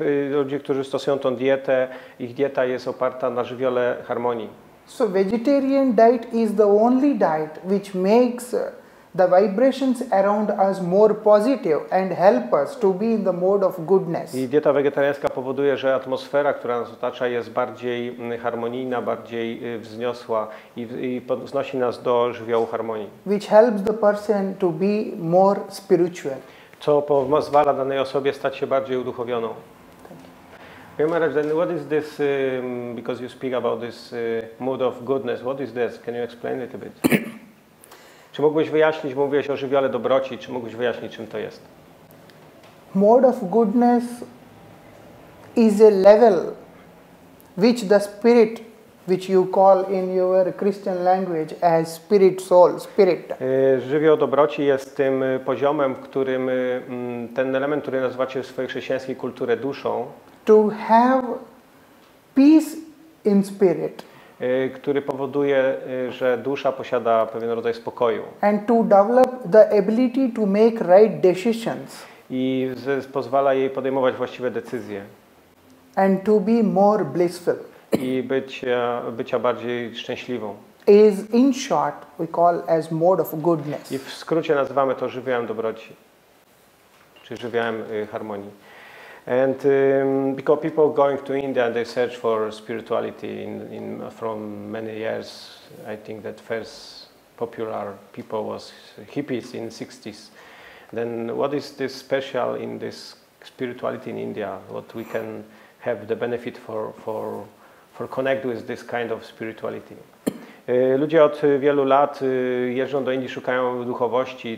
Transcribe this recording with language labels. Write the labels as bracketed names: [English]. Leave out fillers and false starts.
[Polish] Ludzie, którzy stosują tą dietę, ich dieta jest oparta na żywiole harmonii. [English] So vegetarian diet is the only diet which makes the vibrations around us more positive and help us to be in the mode of goodness. [Polish] I dieta wegetariańska powoduje, że atmosfera, która nas otacza, jest bardziej harmonijna, bardziej wzniosła i wznosi nas do żywiołu harmonii. [English] Which helps the person to be more spiritual. [Polish] Co pozwala danej osobie stać się bardziej uduchowioną. [English] Maharaj, then what is this, because you speak about this mood of goodness, what is this? Can you explain it a bit? [Polish] Czy mógłbyś wyjaśnić, mówiłeś o żywiole dobroci, czy mógłbyś wyjaśnić, czym to jest? [English] mode of goodness is a level which the spirit, which you call in your Christian language as spirit, soul, spirit. [Polish] Żywioł dobroci jest tym poziomem, w którym ten element, który nazywacie w swojej chrześcijańskiej kulturze duszą. [English] To have peace in spirit. [Polish] Który powoduje, że dusza posiada pewien rodzaj spokoju. [English] And to develop the ability to make right decisions. [Polish] I pozwala jej podejmować właściwe decyzje. [English] And to be more blissful. [Polish] I bycia bardziej szczęśliwą. [English] Is in short we call as mode of goodness. [Polish] I w skrócie nazywamy to żywiołem dobroci. Czy żywiołem harmonii. [English] And because people going to India and they search for spirituality in from many years, I think that first popular people was hippies in the 60s. Then what is this special in this spirituality in India? What we can have the benefit for connect with this kind of spirituality. [Polish] Ludzie od wielu lat jeżdżą do Indii, szukają duchowości.